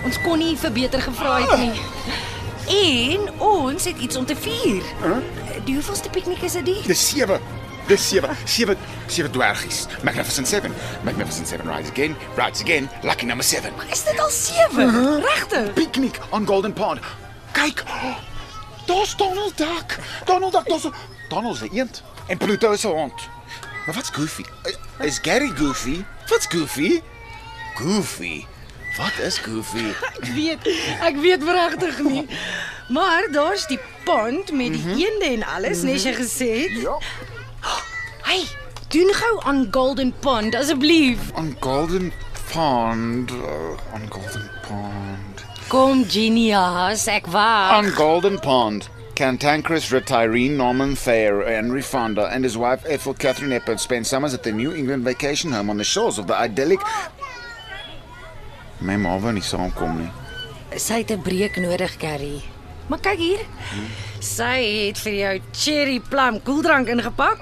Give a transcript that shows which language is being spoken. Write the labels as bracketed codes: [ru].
[af] Ons kon nie vir beter gevra het nie. En ons het iets om te vier. Die hoeveelste piknik is dit? Dis sewe dwergies. Magnificent 7. Magnificent 7 rides again. [en] Lucky number 7. [af] Is dit al 7? Uh-huh. Regtig? Piknik on Golden Pond. Kyk. Daar's Donald Duck. Donald Duck, Donald se eend. En Pluto se hond. Maar wat's Goofy? Is Gary Goofy? Wat's Goofy? Goofy? Wat is Goofy? ek weet pragtig nie. Maar daar's die pond met die eende en alles, nes jy gesê het. Ja. Hey, doen gou aan Golden Pond, asseblief. Aan Golden Pond. Aan Golden Pond. Kom, genius, ek wag. Aan Golden Pond. [en] Cantankerous retiree Norman Thayer, Henry Fonda, and his wife Ethel Catherine Eppard spent summers at the New England vacation home on the shores of the idyllic... [af] My ma wou nie saamkom nie. Sy het 'n breek nodig, Carrie. Maar kyk hier. Sy het vir jou cherry plum koeldrank ingepak.